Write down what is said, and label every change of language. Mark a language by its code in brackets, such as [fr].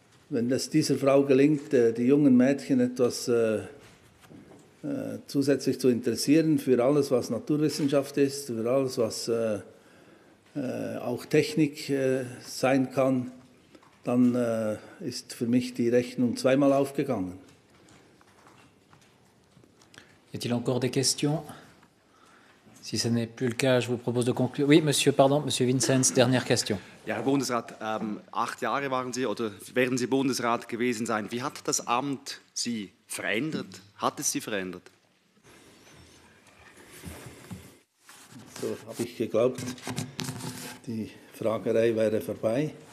[de] Wenn es dieser Frau gelingt, die jungen Mädchen etwas zusätzlich zu interessieren für alles, was Naturwissenschaft ist, für alles, was auch Technik sein kann, dann ist für mich die Rechnung zweimal aufgegangen. [fr] Y a-t-il encore des questions? Si ce n'est plus le cas, je vous propose de conclure. Oui, monsieur, pardon, monsieur Vincenz, dernière question. [de] Ja, Herr Bundesrat, 8 Jahre waren Sie oder werden Sie Bundesrat gewesen sein. Wie hat das Amt Sie verändert? Hat es Sie verändert? So habe ich geglaubt, die Fragerei wäre vorbei.